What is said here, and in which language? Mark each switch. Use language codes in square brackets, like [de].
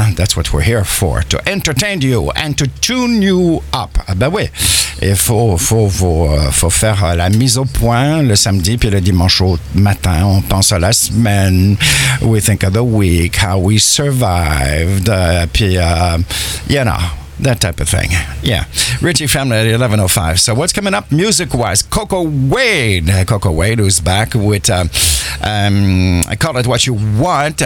[en] That's what we're here for, to entertain you and to tune you up. [fr] Il faut faire la mise au point le samedi puis le dimanche au matin. On pense à la semaine. [en] We think of the week, how we survived. That type of thing. Yeah. Ritchie Family at 11:05. So what's coming up music-wise? Coco Wade. Coco Wade who's back with I Call It What You Want.